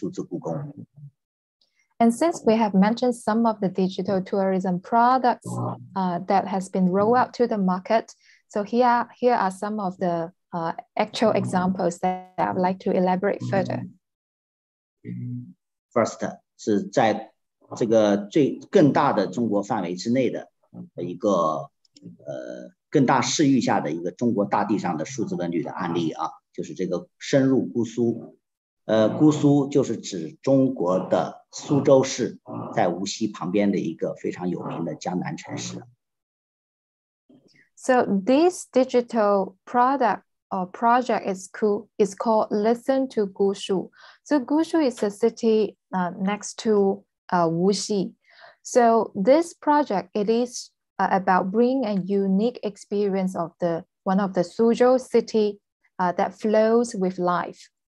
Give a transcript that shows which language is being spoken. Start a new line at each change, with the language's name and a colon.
Chinese: 后面我们最后就来给大家展示一下刚才提到的这几个产品中非常具有特色的、非常有意思的两个产品，一个是深入姑苏平江路，一个是数字故宫。
English: And since we have mentioned some of the digital tourism products that has been rolled out to the market, so here are some of the actual examples that I would like to elaborate further. First,
Chinese: 是在这个更大的中国范围之内的一个更大视域下的一个中国大地上的数字文旅的案例啊，就是这个深入姑苏，姑苏就是指中国的苏州市，在无锡旁边的一个非常有名的江南城市。
English: So this digital product or project is called Listen to Gushu. So Gushu is a city next to Wuxi. So this project, it is about bringing a unique experience of the one of the Suzhou city that flows with life.